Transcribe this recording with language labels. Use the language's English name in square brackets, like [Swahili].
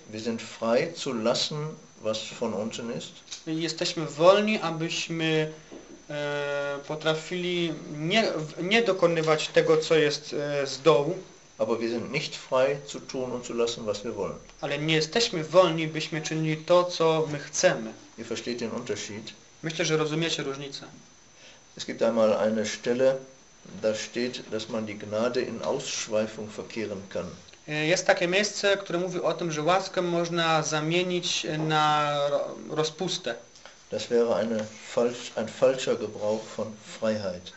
[German] Wir sind frei zu lassen, was von unten ist. [Polish] Jesteśmy wolni, abyśmy potrafili nie dokonywać tego, co jest z dołu. [German] Aber wir sind nicht frei zu tun und zu lassen, was wir wollen. [Polish] Ale nie jesteśmy wolni, byśmy czynili to, co my chcemy. [German] Ihr versteht den Unterschied. [Polish] Myślę, że rozumiecie różnicę. [German] Es gibt einmal eine Stelle, da steht, dass man die Gnade in Ausschweifung verkehren kann. [Polish] Jest takie miejsce, które mówi o tym, że łaskę można zamienić na rozpustę. [German] Das wäre ein falscher Gebrauch von Freiheit.